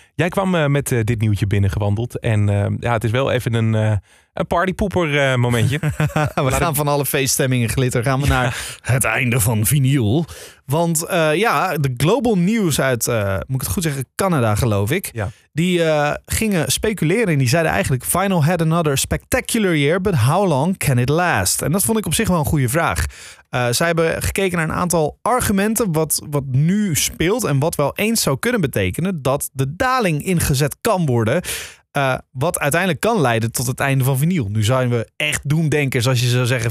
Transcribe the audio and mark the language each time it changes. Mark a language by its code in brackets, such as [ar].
[nl] Jij kwam met dit nieuwtje binnengewandeld. En ja, het is wel even een partypoeper momentje. We gaan van alle feeststemmingen glitter. Gaan we naar het einde van vinyl. Want de Global News uit, moet ik het goed zeggen, Canada geloof ik. Ja. Die gingen speculeren en die zeiden eigenlijk... [en] Vinyl had another spectacular year, but how long can it last? [nl] En dat vond ik op zich wel een goede vraag. Zij hebben gekeken naar een aantal argumenten wat nu speelt... en wat wel eens zou kunnen betekenen dat de daling ingezet kan worden... Wat uiteindelijk kan leiden tot het einde van vinyl. Nu zijn we echt doemdenkers als je zou zeggen...